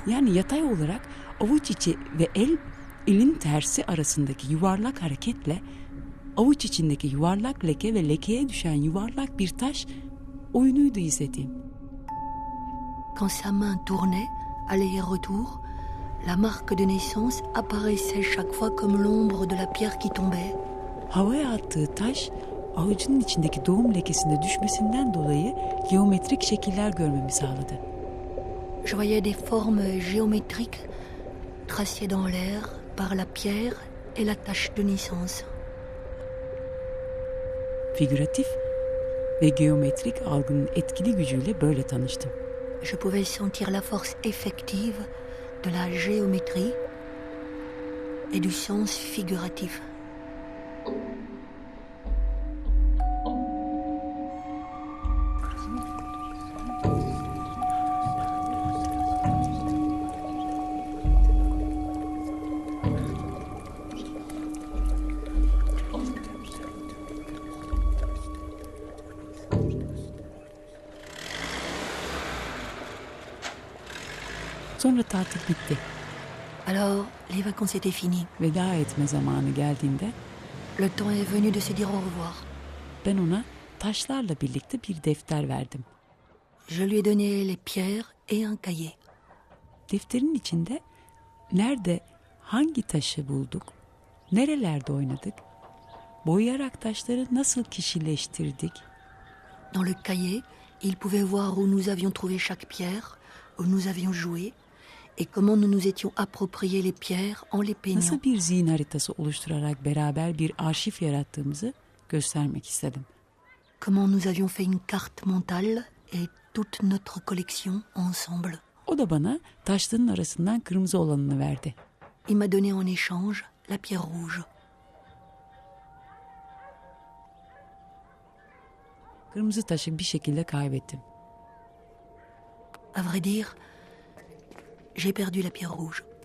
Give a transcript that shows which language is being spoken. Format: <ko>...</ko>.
<tr>Yani yatay olarak avuç içi ve elin tersi arasındaki yuvarlak hareketle avuç içindeki yuvarlak leke ve lekeye düşen yuvarlak bir taş oyunuydu izlediğim.</tr> <fr>Quand sa main tournait, aller et retour, la marque de naissance apparaissait chaque fois comme l'ombre de la pierre qui tombait.</fr> <tr>Havaya attığı taş, avucunun içindeki doğum lekesinde düşmesinden dolayı geometrik şekiller görmemi sağladı.</tr> <fr>Je voyais des formes géométriques tracées dans l'air par la pierre et la tache de naissance.</fr> <tr>Figuratif ve géométrik algının etkili gücüyle böyle tanıştım.</tr> <fr>Je pouvais sentir la force effective de la géométrie et du sens figuratif.</fr> <tr>Sonra tatil bitti.</tr> <fr>Alors, les vacances étaient finies.</fr> <tr>Veda etme zamanı geldiğinde,</tr> <fr>le temps est venu de se dire au revoir.</fr> <tr>Ben ona taşlarla birlikte bir defter verdim.</tr> <fr>Je lui ai donné les pierres et un cahier.</fr> <tr>Defterin içinde nerede hangi taşı bulduk, nerelerde oynadık, boyayarak taşları nasıl kişileştirdik.</tr> <fr>Dans le cahier, il pouvait voir où nous avions trouvé chaque pierre, où nous avions joué. Et comment nous nous étions approprié les pierres en les peignant.</fr> <tr>Nasıl bir zihin haritası oluşturarak beraber bir arşiv yarattığımızı göstermek istedim.</tr> <fr>Comment nous avions fait une carte mentale et toute notre collection ensemble.</fr> <tr>O da bana taşların arasından kırmızı olanını verdi.</tr> <fr>Il m'a donné en échange la pierre rouge.</fr> <tr>Kırmızı taşı bir şekilde kaybettim.</tr> <fr>À vrai dire, j'ai perdu la pierre rouge.</fr>